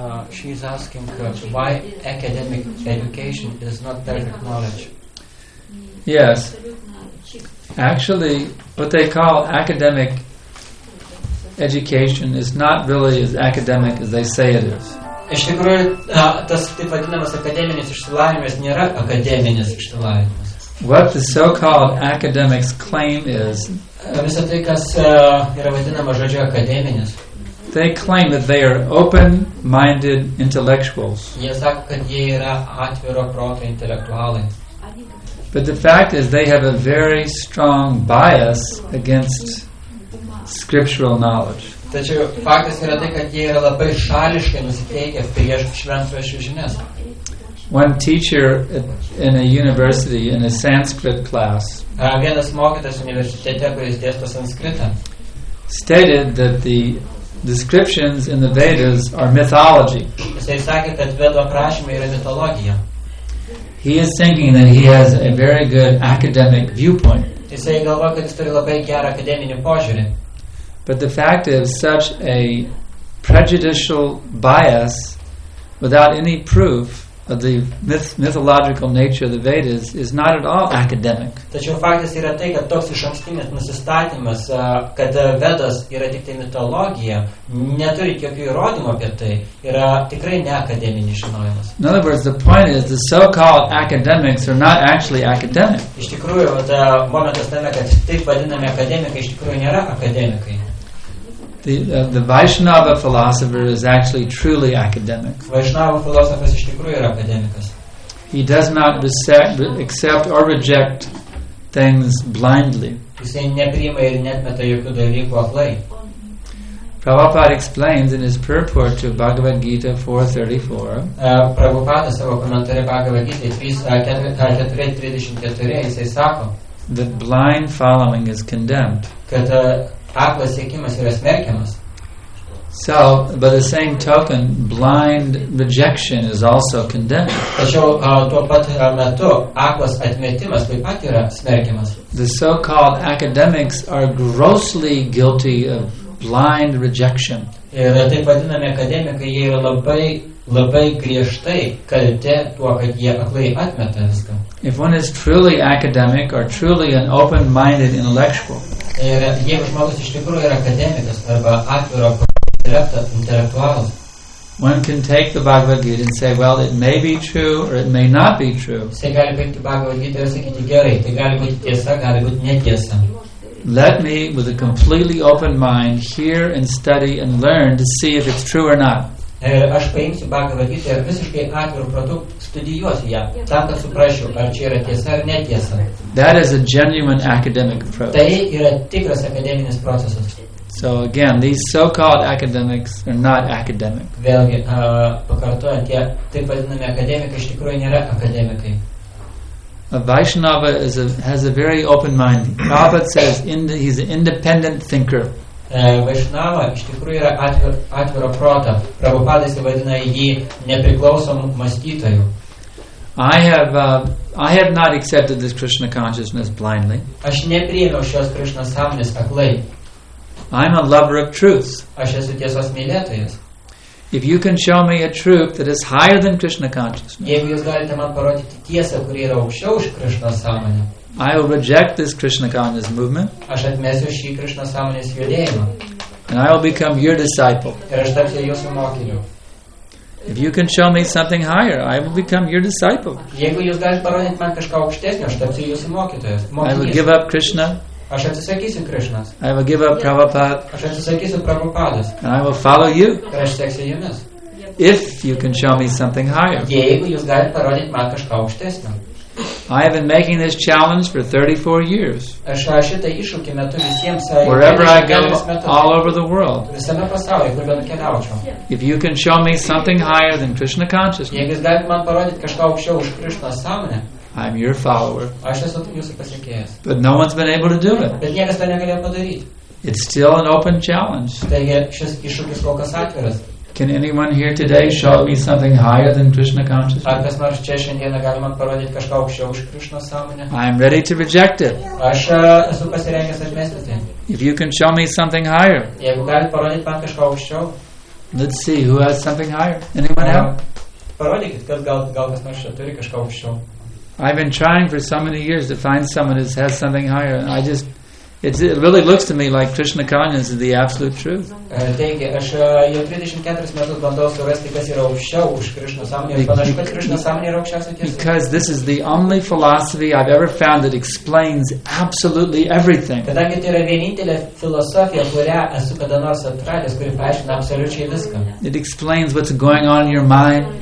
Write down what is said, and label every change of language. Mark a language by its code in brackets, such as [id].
[en] She is asking why academic education is not perfect knowledge. Yes. Actually, what they call academic education is not really as academic as they say it is. [lt] Iš tikrųjų, tas taip vadinamas akademinis išsilavinimas nėra akademinis išsilavinimas. [en] What the so-called academics claim is, [lt] visa tai, kas yra vadinama žodžiu akademinis, [en] they claim that they are open-minded intellectuals. [lt] Jie sako, kad jie yra atviro proto intelektualai. [en] But the fact is they have a very strong bias against scriptural knowledge. [lt] Tačiau faktas yra tai, kad jie yra labai šališkai nusiteikę prieš šventųjų žinias. [en] One teacher in a university in a Sanskrit class [lt] vienas mokytas universitete, kuris dėsto sanskritą, [en] stated that the descriptions in the Vedas are mythology. [lt] Jisai sakė, kad Vedų aprašymai yra mitologija. [en] He is thinking that he has a very good academic viewpoint. [lt] Jisai galvo, kad jis turi labai gerą akademinį požiūrį. [en] But the fact is such a prejudicial bias without any proof of the mythological nature of the Vedas is not at all academic. [lt] Tačiau faktas yra tai, kad toks išankstinis nusistatymas, kad Vedas yra tik tai mitologija, neturi jokių įrodymų apie tai, yra tikrai neakademinis žinojimas. [en] In other words, the point is the so-called academics are not actually academic. [lt] Iš tikrųjų, momentas tame, kad taip vadinami akademikai, iš tikrųjų nėra akademikai. [en] The Vaishnava philosopher is actually truly academic. [lt] Vaishnava filosofas iš tikrųjų yra akademikas. [en] He does not accept or reject things blindly. [lt] Jisai nepriima ir netmeta jokių dalykų aklai. [en] Prabhupada explains in his purport to Bhagavad Gita 4.34. [lt] Prabhupada savo komentare Bhagavad Gita 4.34 jisai sako [en] that blind following is condemned. [lt] Kad aklas sėkimas yra smerkiamas. [en] So, by the same token, blind rejection is also condemned. [lt] Tačiau tuo pat metu aklas atmetimas taip pat yra smerkiamas. [en] The so-called academics are grossly guilty of blind rejection. [lt] Ir taip vadinami akademikai, jie yra labai, labai griežtai kalti tuo, kad jie aklai atmeta viską. [en] If one is truly academic or truly an open-minded intellectual. [lt] Ir jeigu žmogus iš tikrųjų yra akademikas arba atviro intelekto intelektualas. [en] One can take the Bhagavad Gita and say, well, it may be true or it may not be true. [lt] Jisai gali paimti Bhagavad Gita ir sakyti, gerai, tai gali būti tiesa, gali būti netiesa. [en] Let me, with a completely open mind, hear and study and learn to see if it's true or not. [lt] Aš paimsiu Bhagavad Gita ir visiškai atviru protu studijuosiu ją, tam, kad suprasčiau, ar čia yra tiesa ar netiesa. [en] That is a genuine academic approach. [lt] Tai yra tikras akademinis procesas. [en] So again, these so-called academics are not academic. [lt] Vėlgi, pakartojant, tie taip vadinami akademikai iš tikrųjų nėra akademikai. [en] A Vaishnava is a, has a very open mind. Prabhupada says he's an independent thinker. [lt] Vaishnava iš tikrųjų yra atviro proto. Prabhupada vadina jį nepriklausomu mąstytoju. [en] I have not accepted this Krishna consciousness blindly. [lt] Aš nepriėmiau šios Krishna sąmonės aklai. [en] I'm a lover of truths. [lt] Aš esu tiesos mylėtojas. [en] If you can show me a truth that is higher than Krishna consciousness, I will reject this Krishna consciousness movement. [lt] Aš atmesiu šį Krishna sąmonės judėjimą. [en] And I will become your disciple. [lt] Ir aš tapsiu jūsų mokiniu. [en] If you can show me something higher, I will become your disciple. [lt] Jeigu jūs galite parodyti man kažką aukštesnio, aš tapsiu jūsų mokytojas. [en] I will give up Krishna. [lt] Aš atsisakysiu Krishnas. [en] I will give up Prabhupada. [lt] Aš atsisakysiu Prabhupadas. [en] And I will follow you. [lt] Ir aš seksiu jumis. [en] If you can show me something higher. [lt] Jeigu jūs galite parodyti man kažką aukštesnio. [en] I have been making this challenge for 34 years. [lt] Aš šitą iššūkį metu visiems. [en] Wherever I go, all over the world. [lt] Visame pasaulyje, kur ben keliaučiau. [en] If you can show me something higher than Krishna consciousness. [lt] Jeigu jūs galite man parodyti kažką aukščiau už Krishna sąmonę. [en] I'm your follower. [lt] Aš esu jūsų pasiekėjas. [en] But no one's been able to do it. [lt] Bet niekas to negalėjo padaryti. [en] It's still an open challenge. [lt] Taigi, šis iššūkis kol kas atviras. [en] Can anyone here today show me something higher than Krishna consciousness? [lt] Ar kas nors čia šiandieną gali man parodyti kažką aukščiau už Krishna sąmonę? [en] I'm ready to reject it. [lt] Aš esu pasirengęs atmesti tai. [en] If you can show me something higher. [lt] Jeigu galit parodyti man kažką aukščiau. [en] Let's see who has something higher. Anyone else? [lt] Parodykit, kas gal kas nors čia turi kažką aukščiau. [en] I've been trying for so many years to find someone who has something higher. And I just, it really looks to me like Krishna consciousness is the absolute truth. [lt] Taigi, aš jau 34 metus bandau surasti, kas yra aukščiau už Krishna sąmonę. Panašu, kad Krishna sąmonė yra aukščiausia tiesa. [en] Because this is the only philosophy I've ever found that explains absolutely everything. [lt] Kadangi tai yra vienintelė filosofija, kurią esu kada nors atradęs, kuri paaiškina absoliučiai viską. [en] It explains what's going on in your mind.